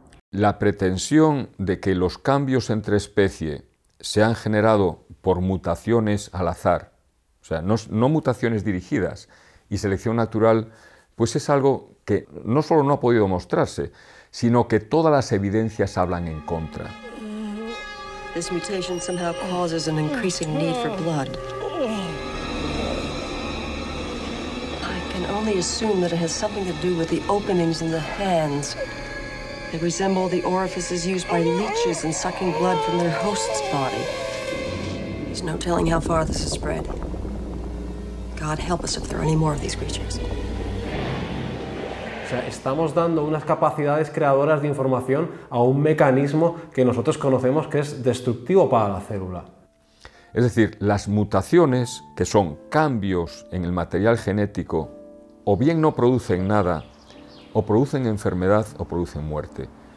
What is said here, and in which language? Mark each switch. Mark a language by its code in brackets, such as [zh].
[es] La pretensión de que los cambios entre especie se han generado por mutaciones al azar, o sea, no mutaciones dirigidas y selección natural, pues es algo que no solo no ha podido mostrarse, sino que todas las evidencias hablan en contra. [en] This mutation somehow causes an increasing need for blood. I can only assume that it has something to do with the openings in the hands. They resemble the orifices used by leeches in sucking blood from their host's body. There's no telling how far this has spread. God help us if there are any more of these creatures. [es] O sea, estamos dando unas capacidades creadoras de información a un mecanismo que nosotros conocemos que es destructivo para la célula. Es decir, las mutaciones, que son cambios en el material genético, o bien no producen nada, o producen enfermedad o producen muerte.